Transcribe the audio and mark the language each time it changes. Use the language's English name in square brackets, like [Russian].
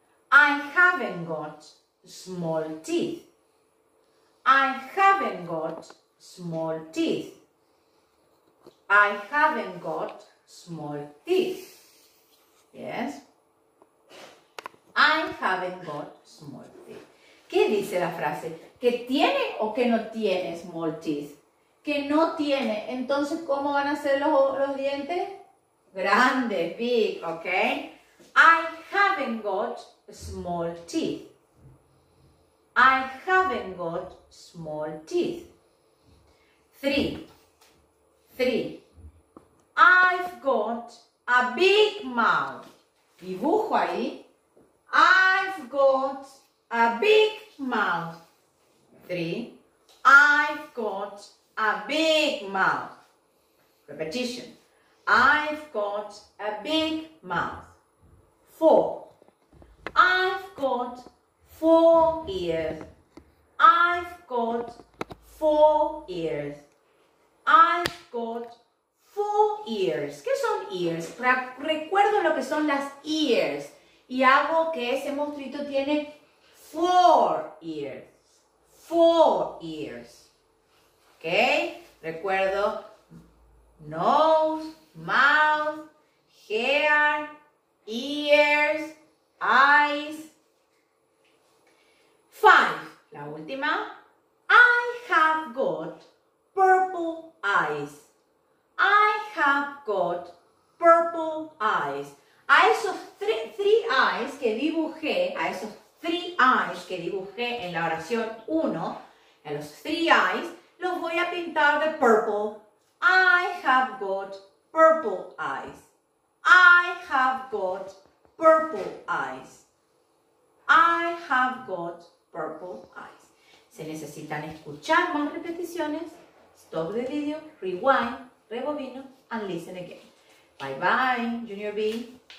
[English] I haven't got small teeth. I haven't got small teeth. I haven't got small teeth. Yes? I haven't got small teeth. [Spanish] ¿Qué dice la frase? ¿Que tiene o que no tiene small teeth? Que no tiene. Entonces, ¿cómo van a ser los dientes? [English] Grande, big, ¿ok? I haven't got small teeth. I haven't got small teeth. Three. I've got a big mouth. [Spanish] Dibujo ahí. [English] I've got a big mouth. Three. I've got a big mouth. Repetition. I've got a big mouth. Four. I've got four ears. I've got four ears. I've got four ears. [Spanish] ¿Qué son ears? Recuerdo lo que son las ears. Y hago que ese monstruito tiene four ears. [English] Four ears. ¿Ok? Recuerdo nose, mouth, hair, ears, eyes. Five. [Spanish] La última. [English] I have got purple eyes. I have got purple eyes. [Spanish] A esos three eyes que dibujé, a esos three eyes que dibujé en la oración 1, a los three eyes, los voy a pintar de purple. [English] I have got purple eyes. I have got purple eyes. I have got purple eyes. [Spanish] Se necesitan escuchar más repeticiones. [English] Stop the video, rewind, [Spanish] rebobino, [English] and listen again. Bye bye, Junior B.